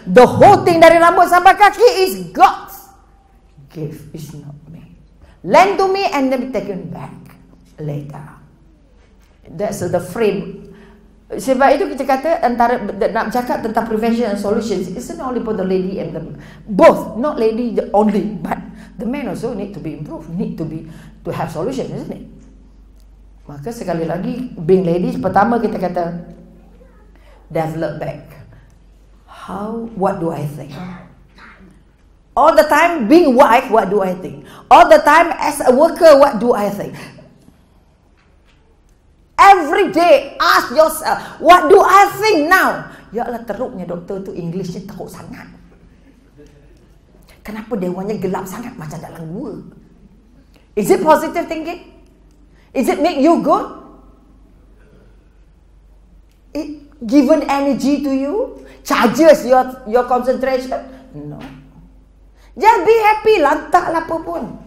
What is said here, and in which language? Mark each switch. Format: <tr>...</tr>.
<en>The whole thing</en> <ms>dari rambut sampai kaki</ms> <en>is God's. Gift is not me. Lend to me and then be taken back later. That's the frame.</en> <ms>Sebab itu kita kata antara nak cakap tentang</ms> <en>prevention and solutions, it's not only for the lady and the both, not lady only, but the man also need to be improved, need to be to have solution, isn't it?</en> <ms>Maka sekali lagi,</ms> <en>being ladies,</en> <ms>pertama kita kata</ms> <en>develop back. How? What do I think? All the time being wife, what do I think? All the time as a worker, what do I think? Every day, ask yourself, what do I think now?</en> <ms>Ya Allah, teruknya doktor tu, English ni teruk sangat. Kenapa dewanya gelap sangat macam dalam gua?</ms> <en>Is it positive thinking? Is it make you good? It given energy to you? Charges your concentration? No. Just be happy,</en> <ms>lantaklah apa pun.</ms>